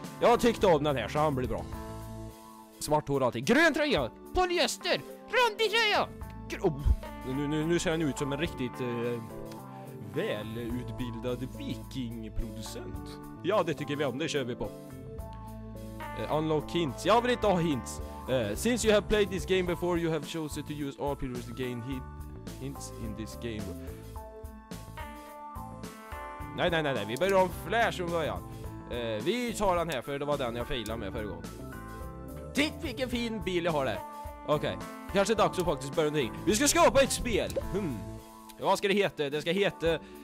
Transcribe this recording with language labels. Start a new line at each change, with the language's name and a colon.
Swedish: Jag tyckte om den här så han blir bra. Svart hår och allting. Grön tröja! Polyester! Randig tröja! Nu ser han ut som en riktigt... välutbildad vikingproducent. Ja, det tycker vi om, det kör vi på.
English: Unlock hints.
Swedish: Jag vill inte ha hints.
English: Since you have played this game before, you have chosen to use all previous gain hints in this game.
Swedish: Nej. Vi börjar om flash från början. Vi tar den här, för det var den jag failade med förra gången. Titt, vilken fin bil jag har där. Okej, okay. Kanske dags att faktiskt börja någonting. Vi ska skapa ett spel. Vad ska det heta? Det ska heta...